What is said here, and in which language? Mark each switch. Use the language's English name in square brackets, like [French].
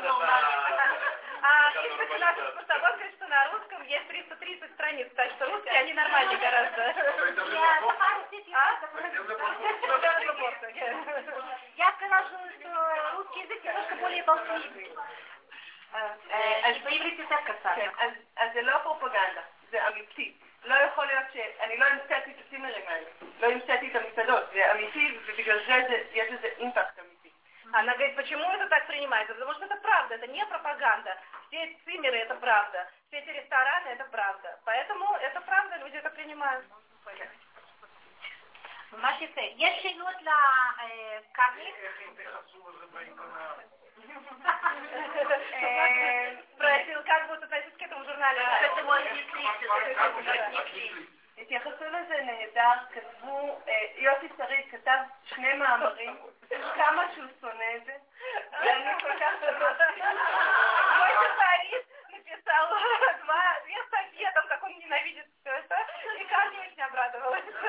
[Russian] нормально. А если наш постановок говорит, что на русском есть 330 страниц, так что русские, они нормальные гораздо. Я сказала, что русский язык немножко более болтушный. [Hebrew] אז זה לא פרופגנדה, זה אמיתי. לא יכול להיות שאני לא המצאתי את הצימרים האלה, לא המצאתי את המסעדות, זה אמיתי, ובגלל זה יש איזה אימפקט אמיתי. [Russian] Она говорит, почему это так принимается? Потому что это правда, это не пропаганда. Все цимеры — это правда, все эти рестораны — это правда. Поэтому это правда, люди это принимают. [Hebrew] ממש יפה. יש שאלות לקרלי? [Russian] Спросил, как будет относиться к этому журналу? Да, это может быть. [Hebrew] התייחסו לזה נהדר, כתבו, יוסי שריד כתב שני מאמרים, כמה שהוא שונא את זה, ואני כל כך שונא. [Russian] יוסי שריד написал две статьи о том, как он ненавидит все это, и Карни очень обрадовалась.